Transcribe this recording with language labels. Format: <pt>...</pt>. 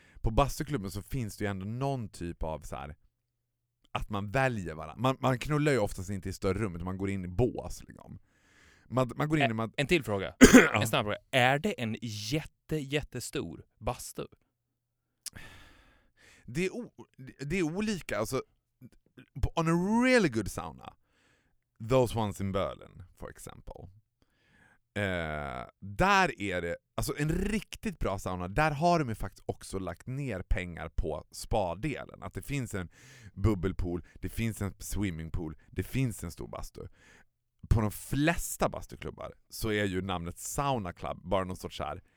<sv>På bastuklubben så finns det ju ändå någon typ av så här, att man väljer varandra. Man knullar ju oftast inte i större rum, utan man går in i bås. Liksom. Man går in i... En till fråga. En snabb fråga. Är det en jättestor bastu? Det är olika.</sv> <en>Alltså, on a really good sauna, those ones in Berlin, for example.</en> <sv>Där är det, alltså en riktigt bra sauna, där har de ju faktiskt också lagt ner pengar på spa-delen. Att det finns en bubbelpool, det finns en swimmingpool, det finns en stor bastu. På de flesta bastuklubbar så är ju namnet Sauna Club bara någon sorts här.</sv>